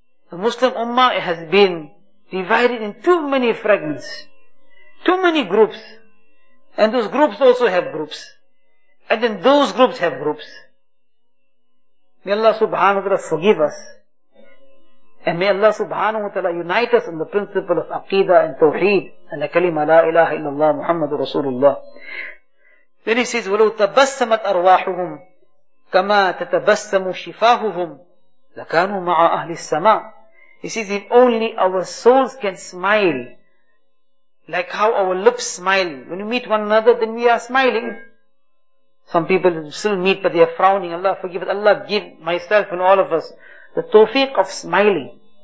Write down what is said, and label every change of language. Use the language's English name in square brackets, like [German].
[English] The Muslim Ummah has been divided in too many fragments, too many groups. And those groups also have groups. And then those groups have groups. May Allah subhanahu wa ta'ala forgive us. And may Allah subhanahu wa ta'ala unite us on the principle of aqeedah and tawheed. And the kalima la ilaha illallah Muhammadur Rasulullah. Then he says, [Arabic] وَلَوْ تَبَسَّمَتْ أَرْوَاحُهُمْ كَمَا تَتَبَسَّمُ شِفَاهُهُمْ لَكَانُوا مَعَ أَهْلِ السَّمَاءِ. [English] He says, if only our souls can smile, like how our lips smile. When we meet one another, then we are smiling. Some people still meet, but they are frowning. Allah forgive us. Allah give myself and all of us the tawfiq of smiling.